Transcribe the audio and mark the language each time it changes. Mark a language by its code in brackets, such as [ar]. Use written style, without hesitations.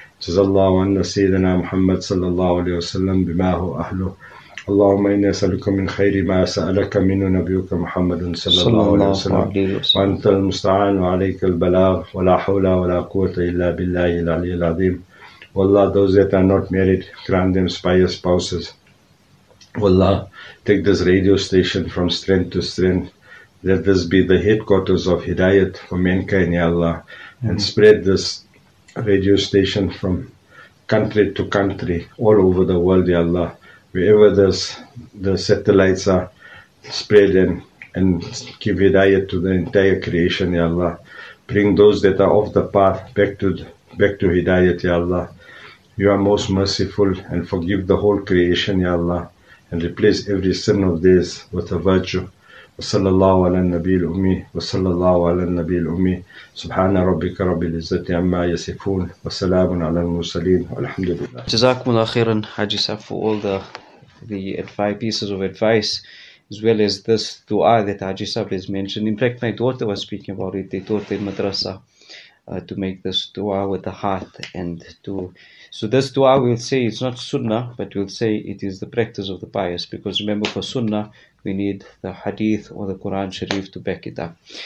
[ar] جزا الله عنا سيدنا محمد صلى الله عليه وسلم بما هو أهله. اللهم إني أسألك من خير ما سألك منه نبيك محمد صلى صلى الله عليه الله وسلم، عليه وسلم. وأنت المستعان وعليك البلاغ، ولا حول ولا قوة إلا بالله العلي العظيم. والله [en] those that are not married, grant them spire spouses. [ar] والله [en] take this radio station from strength to strength. Let this be the headquarters of Hidayat for mankind, Ya Allah. And spread this radio station from country to country, all over the world, Ya Allah. Wherever the satellites are, spread them and give Hidayat to the entire creation, Ya Allah. Bring those that are off the path back to Hidayat, Ya Allah. You are most merciful, and forgive the whole creation, Ya Allah, and replace every sin of theirs with a virtue. [ar] وصلى الله على النبي الأمي وصلى الله على النبي الأمي سبحان ربك رب العزة عما يصفون وسلام على المرسلين والحمد لله. جزاكم الله خيرا [en] حاجي ساب, for all the five pieces of advice as well as this dua that حاجي ساب has mentioned. In fact, my daughter was speaking about it. They taught in madrasa to make this dua with the heart and to so this dua we'll say it's not sunnah, but we'll say it is the practice of the pious, because remember, for sunnah we need the hadith or the Quran Sharif to back it up.